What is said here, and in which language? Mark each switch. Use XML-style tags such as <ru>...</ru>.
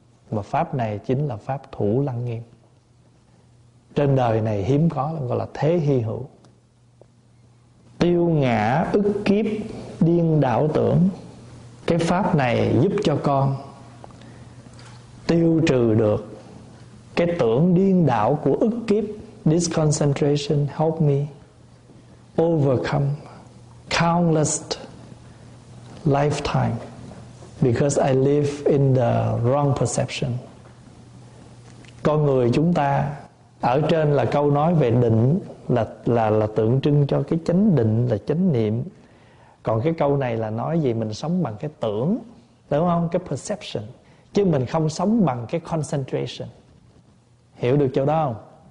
<vi>Mà Pháp này chính là Pháp thủ lăng nghiêm. Trên đời này hiếm có, gọi là thế hy hữu. Tiêu ngã ức kiếp điên đảo tưởng, cái Pháp này giúp cho con tiêu trừ được cái tưởng điên đảo của ức kiếp.</vi> <en>This concentration help me overcome countless lifetime because I live in the wrong perception.</en> <vi>Con người chúng ta, ở trên là câu nói về định, là tượng trưng cho cái chánh định, là chánh niệm. Còn cái câu này là nói gì? Mình sống bằng cái tưởng, đúng không? Cái perception, chứ mình không sống bằng cái concentration. Hiểu được chỗ đó không?</vi>